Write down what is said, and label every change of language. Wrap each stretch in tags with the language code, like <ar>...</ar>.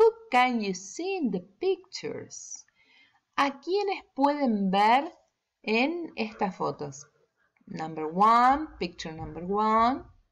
<en>Can you see in the pictures?</en> <es>¿A quiénes pueden ver en estas fotos?</es> <en>Number one, picture number one.</en>